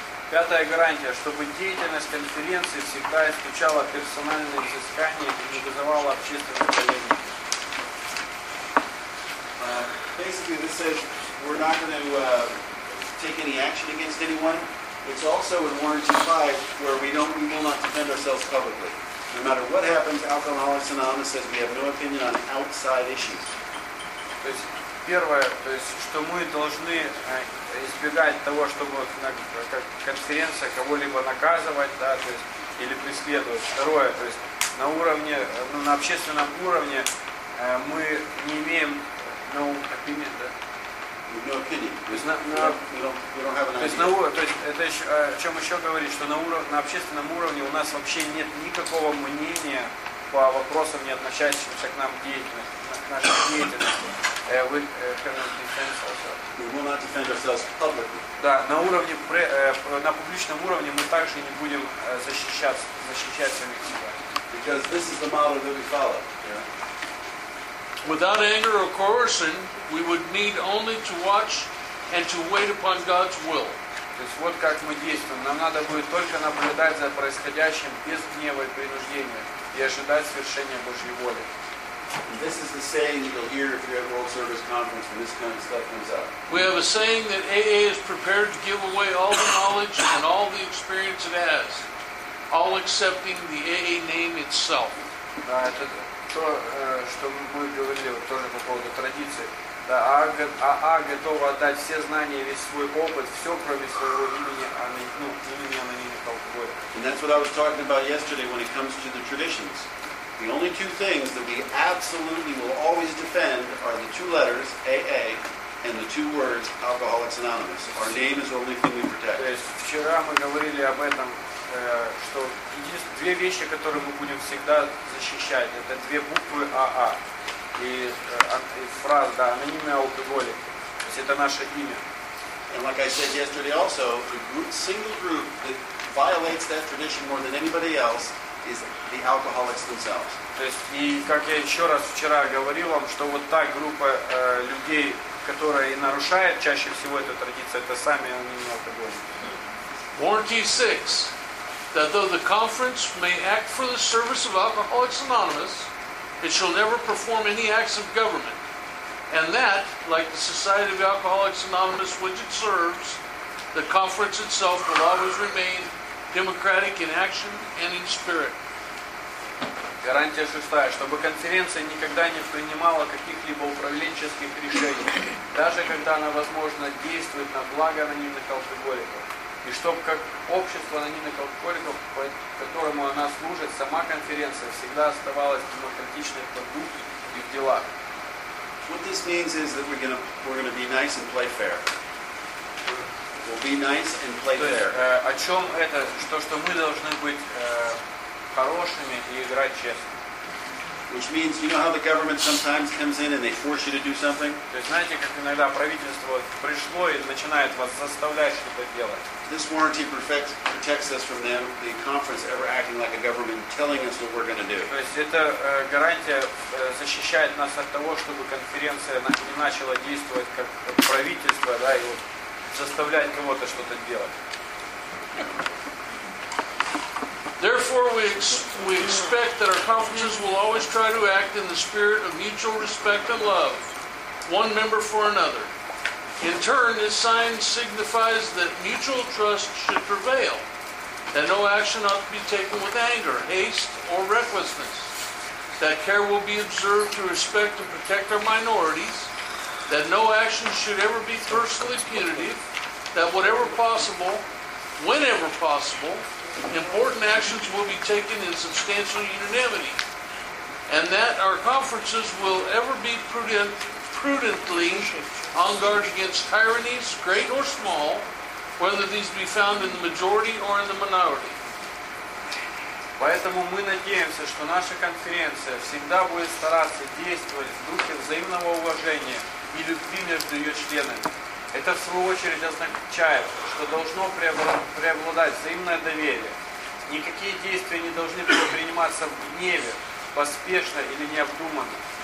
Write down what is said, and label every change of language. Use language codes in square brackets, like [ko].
[ru] Пятая гарантия, чтобы деятельность конференции всегда исключала персональные взыскания и не вызывала общественных проблем. [en] basically this says we're not going to take any action against anyone. It's also in Warranty 5 where we will not defend ourselves publicly. No matter what happens, Alcoholics Anonymous says we have no opinion on outside issues. [ru] Первое, то есть, что мы должны избегать того, чтобы на конференция кого-либо наказывать, да, то есть, или преследовать. Второе, то есть, на уровне, ну, на общественном уровне мы не имеем о чем еще говорить, что на общественном уровне у нас вообще нет никакого мнения по вопросам, не относящимся к нам к нашей деятельности. [en] We will not defend ourselves publicly. [ru] Да, на уровне на публичном уровне мы также не будем защищать самих себя. [en] Because this is the model that we follow. Yeah. Without anger or coercion, we would need only to watch and to wait upon God's will. [ru] То есть вот как мы действуем. Нам надо будет только наблюдать за происходящим без гнева и принуждения и ожидать свершения Божьей воли. [en] And this is the saying that you'll hear if you're at World Service Conference when this kind of stuff comes up. We have a saying that AA is prepared to give away all the knowledge and all the experience it has, all accepting the AA name itself. [ru] Да, это то, что мы говорили тоже по поводу традиции. Да, АА готова отдать все знания, весь свой опыт, все кроме своего имени, ну, имени анонимных алкоголиков. [en] And that's what I was talking about yesterday when it comes to the traditions. The only two things that we absolutely will always defend are the two letters, AA, and the two words, Alcoholics Anonymous. Our name is the only thing we protect. [ru] То есть вчера мы говорили об этом, что две вещи, которые мы будем всегда защищать, это две буквы АА и фраза, да, анонимный алкоголик. То есть это наше имя. [en] And like I said yesterday also, the group, single group that violates that tradition more than anybody else is the alcoholics themselves. [ru] То есть, и как я еще раз вчера говорил вам, что вот та группа людей, которая и нарушает чаще всего эту традицию, это сами анонимные алкоголики. [en] Warranty 6. That though the conference may act for the service of Alcoholics Anonymous, it shall never perform any acts of government. And that, like the Society of Alcoholics Anonymous, which it serves, the conference itself will always remain democratic in action and in spirit. [ru] Гарантия шестая, чтобы конференция никогда не принимала каких-либо управленческих решений, даже когда она, возможно, действует на благо анонимных алкоголиков. И чтобы как общество анонимных алкоголиков, которому она служит, сама конференция всегда оставалась демократичной по духу и в делах. [en] What this means is that we're gonna be nice and play fair. We'll be nice and play fair. [ru] То есть, о чем это? Что мы должны быть хорошими и играть честно. [en] Which means, you know how the government sometimes comes in and they force you to do something? [ru] То есть, знаете, как иногда правительство пришло и начинает вас заставлять что-то делать? [en] This warranty protects us from them, the conference ever acting like a government telling us what we're going to do. [ru] То есть, эта гарантия защищает нас от того, чтобы конференция не начала действовать как правительство, да, и вот заставлять кого-то что-то делать. [en] Therefore, we expect that our conferences will always try to act in the spirit of mutual respect and love, one member for another. In turn, this sign signifies that mutual trust should prevail, that no action ought to be taken with anger, haste, or recklessness, that care will be observed to respect and protect our minorities, that no action should ever be personally punitive, that whatever possible, whenever possible, important actions will be taken in substantial unanimity, and that our conferences will ever be prudently on guard against tyrannies, great or small, whether these be found in the majority or in the minority. [ru] Поэтому мы надеемся, что наша конференция всегда будет стараться действовать в духе взаимного уважения и любви между ее членами. Это, в свою очередь, означает, что должно преобладать взаимное доверие. Никакие действия не должны предприниматься в гневе, поспешно или необдуманно.